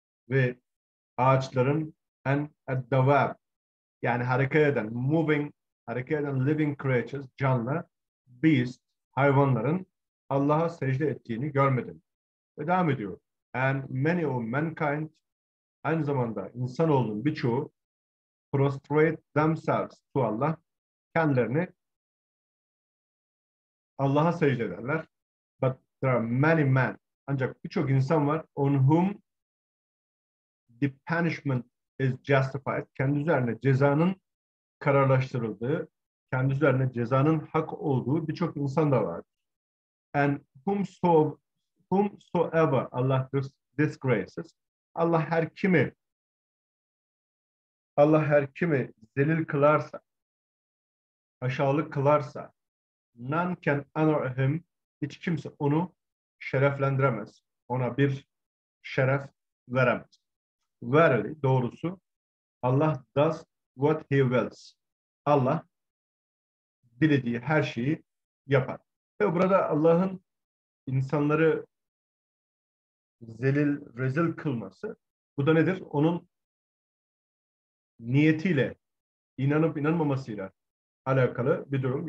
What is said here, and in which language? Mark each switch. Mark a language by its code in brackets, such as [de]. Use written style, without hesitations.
[tr] ve ağaçların [en] and at the web [tr] yani hareket eden, [en] moving [tr] hareket eden [en] living creatures, [tr] canlı [en] beast, [tr] hayvanların Allah'a secde ettiğini görmedim. Ve devam ediyor. [en] And many of mankind [tr] aynı zamanda insanoğlunun birçoğu [en] prostrate themselves to Allah [tr] kendilerini Allah'a secde ederler. [en] But there are many men [tr] ancak birçok insan var [en] on whom the punishment is justified. [tr] Kendi üzerine cezanın kararlaştırıldığı, kendi üzerine cezanın hak olduğu birçok insan da var. [en] And whomsoever Allah disgraces, [tr] Allah her kimi zelil kılarsa, aşağılık kılarsa, [en] none can honor him, [tr] hiç kimse onu şereflendiremez, ona bir şeref veremez. [en] Verily, [tr] doğrusu, [en] Allah does what he wills. [tr] Allah dilediği her şeyi yapar. Ve burada Allah'ın insanları zelil, rezil kılması, bu da nedir? Onun niyetiyle, inanıp inanmamasıyla alakalı bir durum.